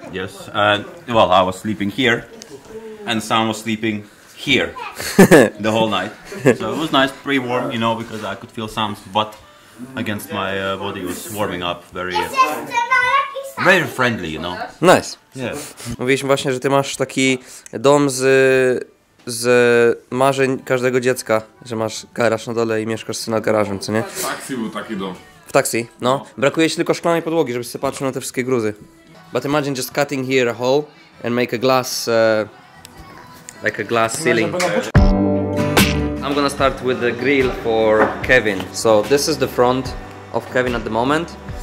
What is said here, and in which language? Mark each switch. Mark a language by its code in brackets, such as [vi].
[en] Yes. Well, I was sleeping here, and Sam was sleeping here the whole night. So it was nice, pretty warm, you know, because I could feel Sam's butt against my body. It was warming up very friendly, you know. Nice. Yeah. [pl] Mówiliśmy właśnie, że ty masz taki dom z marzeń każdego dziecka, że masz garaż na dole i mieszkasz sobie nad garażem, co nie? W taksi był taki dom. W taksi, no. Brakuje ci tylko szklanej podłogi, żebyś sobie patrzył na te wszystkie gruzy. [en] But imagine just cutting here a hole and make a glass, like a glass ceiling. I'm gonna start with the grill for Kevin. So this is the front of Kevin at the moment.